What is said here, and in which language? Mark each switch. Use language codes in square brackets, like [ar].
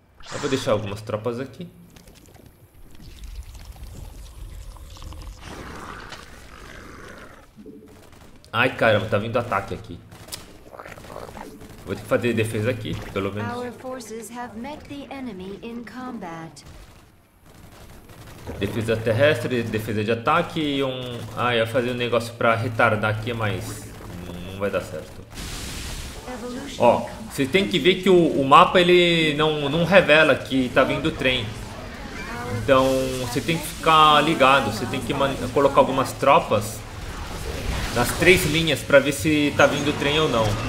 [pt] Eu vou deixar algumas tropas aqui. Ai caramba, tá vindo ataque aqui. Vou ter que fazer defesa aqui, pelo menos. [en] Our forces have met the enemy in combat. [pt] Defesa terrestre, defesa de ataque e um... Ah, ia fazer um negócio pra retardar aqui, mas não vai dar certo. Evolution. Ó, você tem que ver que o mapa, ele não revela que tá vindo trem. Então, você tem que ficar ligado, você tem que colocar algumas tropas nas três linhas para ver se tá vindo trem ou não.